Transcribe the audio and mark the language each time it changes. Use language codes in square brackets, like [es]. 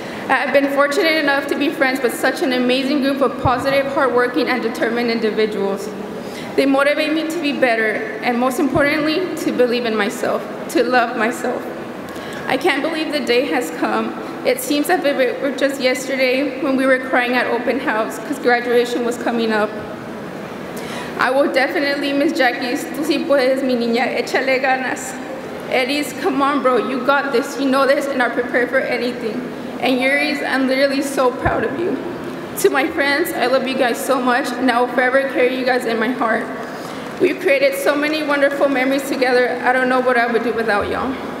[en] I have been fortunate enough to be friends with such an amazing group of positive, hardworking, and determined individuals. They motivate me to be better, and most importantly, to believe in myself, to love myself. I can't believe the day has come. It seems as if it were just yesterday when we were crying at open house because graduation was coming up. I will definitely miss Jackie's, [es] tú sí puedes, mi niña, échale ganas. [en] Eddie's, come on, bro, you got this, you know this, and are prepared for anything. And Yuri's, I'm literally so proud of you. To my friends, I love you guys so much, and I will forever carry you guys in my heart. We've created so many wonderful memories together, I don't know what I would do without y'all.